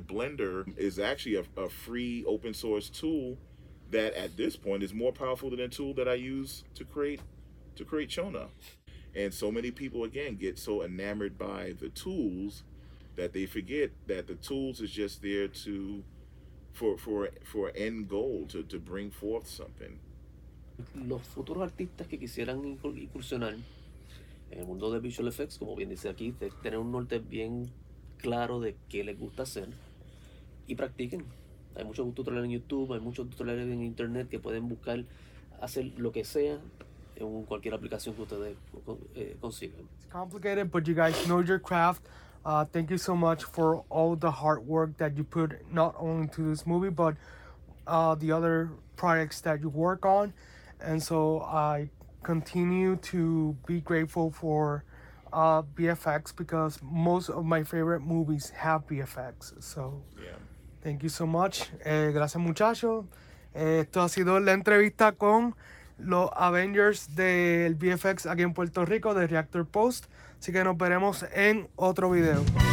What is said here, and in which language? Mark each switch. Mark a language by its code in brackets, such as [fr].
[en] Blender is actually a free open source tool that at this point is more powerful than a tool that I use to create Chona. And so many people, again, get so enamored by the tools that they forget that the tools is just there for end goal, to bring forth something. [es] Los futuros artistas que quisieran incursionar en el mundo de visual effects, como bien dice aquí, de tener un norte bien claro de qué les gusta hacer y practiquen. Hay muchos tutoriales en YouTube, hay muchos tutoriales en internet que pueden buscar hacer lo que sea en cualquier aplicación que ustedes consigan. [en] It's complicated, but you guys know your craft. Thank you so much for all the hard work that you put not only to this movie, but the other projects that you work on. And so I continue to be grateful for VFX, because most of my favorite movies have VFX. So yeah. Thank you so much. [es] Gracias, muchacho. Esto ha sido la entrevista con los Avengers del VFX aquí en Puerto Rico, de Reactor Post. Así que nos veremos en otro video.